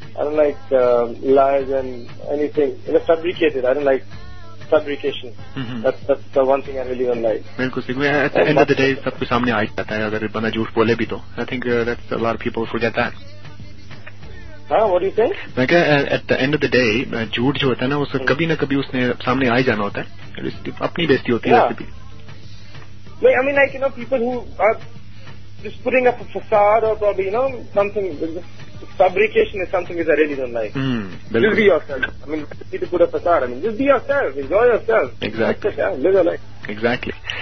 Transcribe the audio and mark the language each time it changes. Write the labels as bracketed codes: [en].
[en] I don't like lies and anything. You know, fabricated. I don't like fabrication. Mm-hmm. That's the one thing I really don't like. [hi] Bilkul sahi. [en] At the end of the day, [hi] sab ke samne aa jata hai agar banda jhooth bole bhi to. [en] I think that's a lot of people forget that. हाँ, what do you think? [hi] मैं कह [en] at the end of the day [hi] झूठ जो होता है ना उसको कभी ना कभी उसने सामने आ ही जाना होता है अपनी बेइज्जती होती है [en] भी नहीं I mean like you know people who are just putting up a facade or probably you know something fabrication is something that I really don't like just be yourself I mean you need to put up a facade I mean just be yourself enjoy yourself exactly live your life exactly